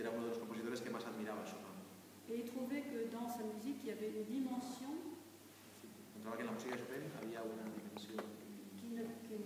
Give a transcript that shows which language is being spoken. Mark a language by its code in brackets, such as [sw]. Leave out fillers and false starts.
[es] era uno de los compositores que más admiraba Schumann. [fr] Et il trouvait que dans sa musique il y avait une dimension. [es] Encontraba que en la música de Schumann había una dimensión.